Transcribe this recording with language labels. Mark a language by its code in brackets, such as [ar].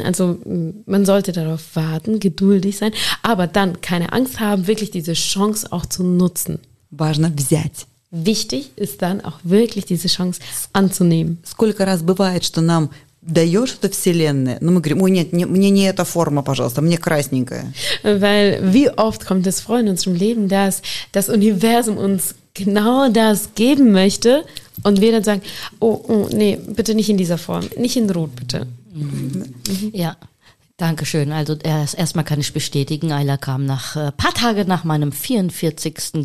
[de] Also man sollte darauf warten, geduldig sein, aber dann keine Angst haben, wirklich diese Chance auch zu nutzen. [ru] Важно взять. [de] Wichtig ist dann auch wirklich diese Chance anzunehmen. [ru] Сколько раз бывает, что нам даешь это Вселенная, но мы говорим, ой, нет, мне не эта форма, пожалуйста, мне красненькая. [de] Weil wie oft kommt es vor in unserem Leben, dass das Universum uns genau das geben möchte und wir dann sagen, oh, oh nee, bitte nicht in dieser Form, nicht in Rot, bitte. Ja, danke schön. Also erstmal kann ich bestätigen, Ayla kam nach paar Tage nach meinem 44.